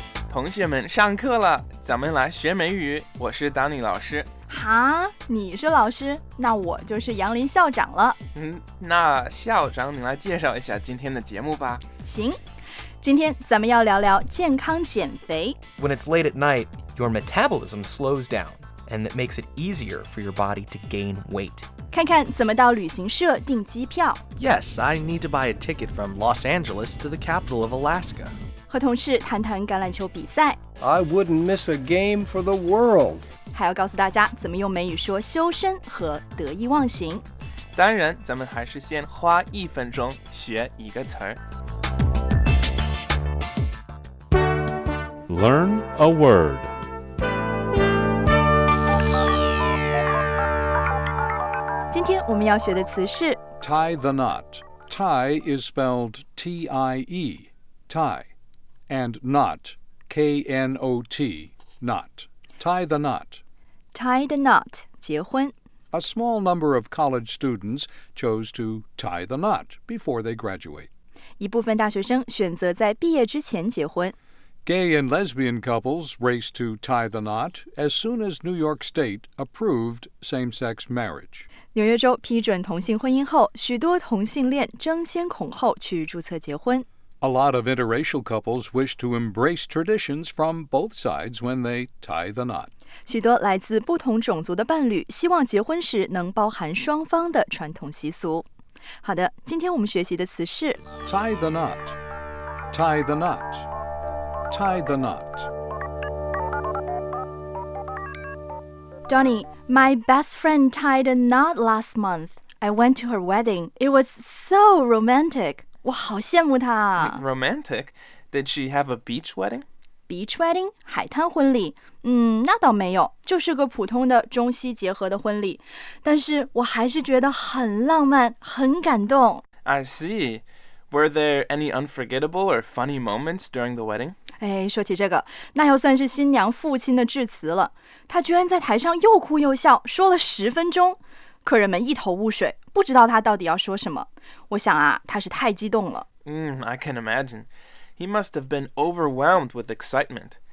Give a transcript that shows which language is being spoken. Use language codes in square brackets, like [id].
[zh] 同学们上课了，咱们来学美语。我是当你老师。哈，你是老师，那我就是杨林校长了。那校长你来介绍一下今天的节目吧。行，今天咱们要聊聊健康减肥。 [en] When it's late at night, your metabolism slows down, and that makes it easier for your body to gain weight. [zh] 看看怎么到旅行社订机票。 [en] Yes, I need to buy a ticket from Los Angeles to the capital of Alaska. [zh] 和同事谈谈橄榄球比赛。 I wouldn't miss a game for the world. 还要告诉大家怎么用美语说修身和得意忘形。当然，咱们还是先花一分钟学一个词儿。 [en] Learn a word. Today, [zh] 我们要学的词是 [en] tie the knot. Tie is spelled T-I-E, tie, and knot, K-N-O-T, knot. Tie the knot. Tie the knot, [zh] 结婚。 [en] A small number of college students chose to tie the knot before they graduate. [zh] 一部分大学生选择在毕业之前结婚。 [en] Gay and lesbian couples race to tie the knot as soon as New York State approved same-sex marriage. [zh] 纽约州批准同性婚姻后，许多同性恋争先恐后去注册结婚。 [en] A lot of interracial couples wish to embrace traditions from both sides when they tie the knot. [zh] 许多来自不同种族的伴侣希望结婚时能包含双方的传统习俗。好的，今天我们学习的词是 [en] tie the knot, tie the knot. Tie the knot. Donny, my best friend tied a knot last month. I went to her wedding. It was so romantic. [zh] 我好羡慕她。 [en] Romantic? Did she have a beach wedding? Beach wedding? [zh] 海滩婚礼？那倒没有，就是个普通的中西结合的婚礼。但是我还是觉得很浪漫，很感动。 [en] I see. Were there any unforgettable or funny moments during the wedding? [zh] 哎，说起这个，那要算是新娘父亲的致辞了。他居然在台上又哭又笑，说了十分钟，客人们一头雾水，不知道他到底要说什么。我想啊，他是太激动了。 [en] I can imagine. He must have been overwhelmed with excitement.